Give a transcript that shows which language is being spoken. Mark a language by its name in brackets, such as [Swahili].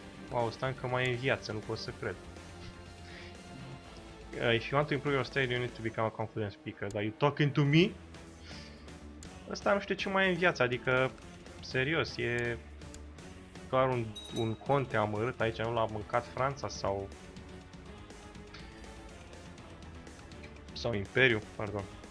[Romanian] wow, ăsta încă mai e în viață, nu pot să cred. [English] If you want to improve your style, you need to become a confident speaker. Are you talking to me? [Romanian] Ăsta nu știu ce mai e în viață, adică... serios, e... doar un conte amărât aici, nu l-a mâncat Franța sau Imperiu, pardon.